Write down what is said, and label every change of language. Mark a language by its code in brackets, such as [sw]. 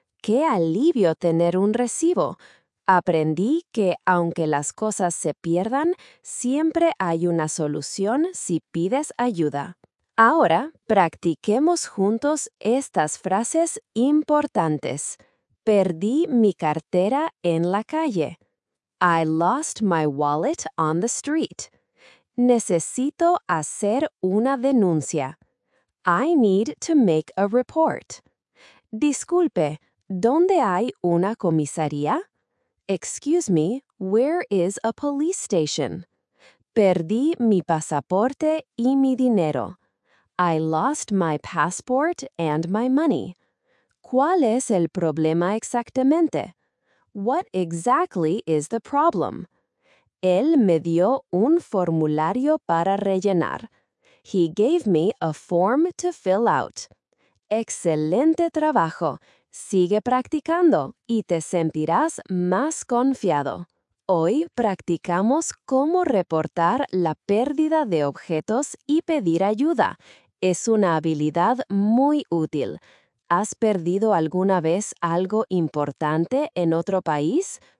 [es] ¡Qué alivio tener un recibo! Aprendí que, aunque las cosas se pierdan, siempre hay una solución si pides ayuda. Ahora, practiquemos juntos estas frases importantes. Perdí mi cartera en la calle. [en] I lost my wallet on the street. [es] Necesito hacer una denuncia. [en] I need to make a report. [es] Disculpe, ¿dónde hay una comisaría? [en] Excuse me, where is a police station? [es] Perdí mi pasaporte y mi dinero. [en] I lost my passport and my money. [es] ¿Cuál es el problema exactamente? [en] What exactly is the problem? [es] Él me dio un formulario para rellenar. [en] He gave me a form to fill out. [es] ¡Excelente trabajo! Sigue practicando y te sentirás más confiado. Hoy practicamos cómo reportar la pérdida de objetos y pedir ayuda. Es una habilidad muy útil. ¿Has perdido alguna vez algo importante en otro país?